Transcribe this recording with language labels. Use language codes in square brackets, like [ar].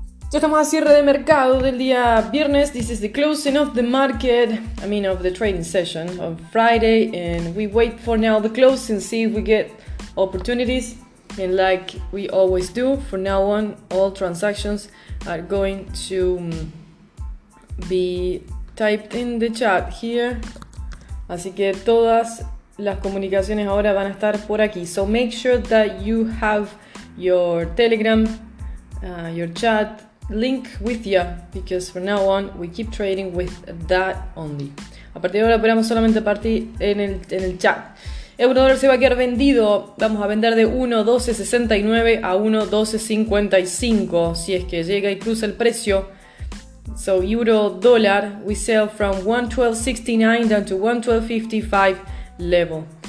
[es] Ya estamos a cierre de mercado del día viernes. [en] This is the closing of the market, of the trading session on Friday. And we wait for now the closing, see if we get opportunities. And like we always do, from now on, all transactions are going to be typed in the chat here. [es] Así que todas las comunicaciones ahora van a estar por aquí. [en] So make sure that you have your Telegram, your chat link with you, because from now on we keep trading with that only. [es] A partir de ahora podemos solamente partir en el chat. Euro dólar se va a quedar vendido. Vamos a vender de 1.1269 a 1.1255 si es que llega y cruza el precio. [en] So euro dólar, we sell from 1.1269 down to 1.1255 level.